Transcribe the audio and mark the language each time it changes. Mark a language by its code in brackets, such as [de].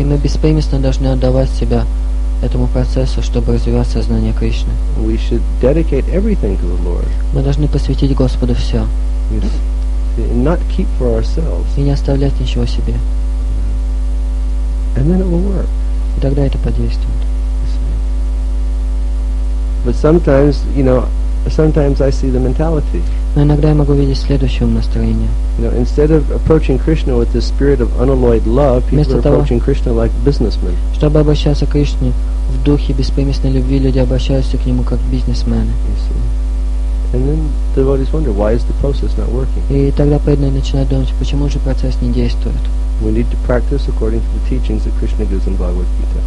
[ru] И мы беспримесно должны отдавать себя этому процессу, чтобы развивать сознание Кришны. [en] We should dedicate everything to the Lord. [ru] Мы должны посвятить Господу все. [en] Yes. And not keep for ourselves. [ru] И не оставлять ничего себе. [en] And then it will work. [ru] И тогда это подействует. [en] But sometimes, you know, sometimes I see the mentality. [ru] Но иногда я могу видеть следующее ум настроение. [en] You know, instead of approaching Krishna with this spirit of unalloyed love, people [ru] Вместо [en] are approaching Krishna like businessmen. [ru] Чтобы обращаться к Кришне в духе беспримесной любви, люди обращаются к нему как бизнесмены. [en] And then the devotees wonder, why is the process not working? [ru] И тогда преданные начинают думать, почему же процесс не действует? [en] We need to practice according to the teachings that Krishna gives in Bhagavad Gita.